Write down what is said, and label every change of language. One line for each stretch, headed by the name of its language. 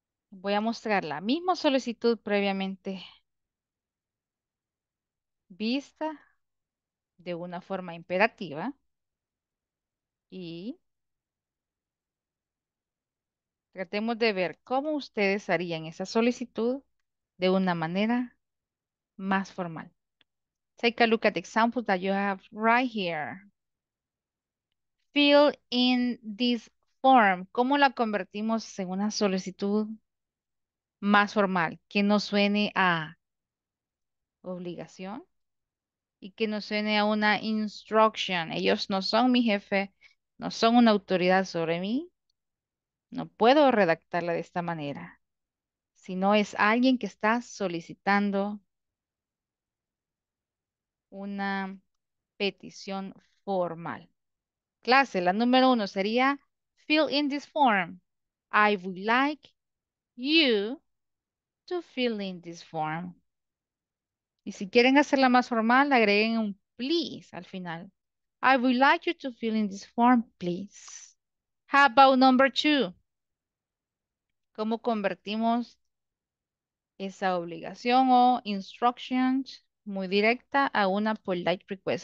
Spanish: Voy a mostrar la misma solicitud previamente vista de una forma imperativa y tratemos de ver cómo ustedes harían esa solicitud de una manera más formal.
English: Take a look at the examples that you have right here. Fill in this form.
Spanish: ¿Cómo la convertimos en una solicitud más formal? Que no suene a obligación y que no suene a una instruction. Ellos no son mi jefe, no son una autoridad sobre mí. No puedo redactarla de esta manera, sino es alguien que está solicitando una petición formal. Clase, la número uno sería,
English: fill in this form. I would like you to fill in this form.
Spanish: Y si quieren hacerla más formal, agreguen un please al final.
English: I would like you to fill in this form, please. How about number two?
Spanish: ¿Cómo convertimos esa obligación o instructions muy directa a una
English: polite request?